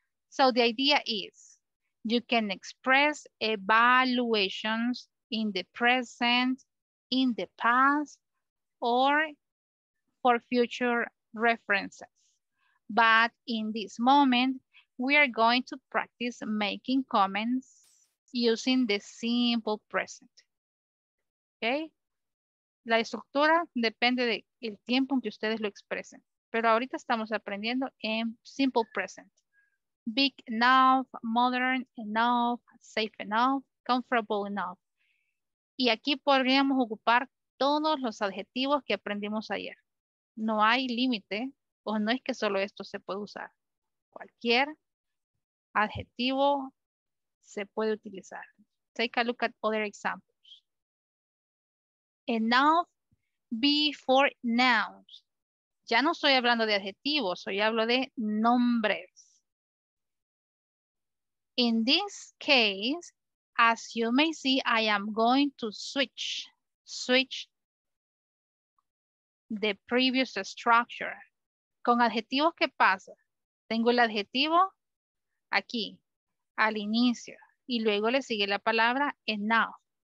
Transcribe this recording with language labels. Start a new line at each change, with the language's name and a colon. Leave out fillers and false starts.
English: So the idea is you can express evaluations in the present, in the past, or for future references. But in this moment, we are going to practice making comments using the simple present. Okay?
Spanish: La estructura depende del tiempo en que ustedes lo expresen. Pero ahorita estamos aprendiendo en
English: simple present. Big enough, modern enough, safe enough, comfortable enough.
Spanish: Y aquí podríamos ocupar todos los adjetivos que aprendimos ayer. No hay límite, o no es que solo esto se puede usar. Cualquier adjetivo se puede utilizar.
English: Take a look at other examples. Enough before nouns.
Spanish: Ya no estoy hablando de adjetivos, hoy hablo de nombres.
English: In this case, as you may see, I am going to switch the previous structure.
Spanish: Con adjetivos, ¿qué pasa? Tengo el adjetivo aquí, al inicio, y luego le sigue la palabra enough.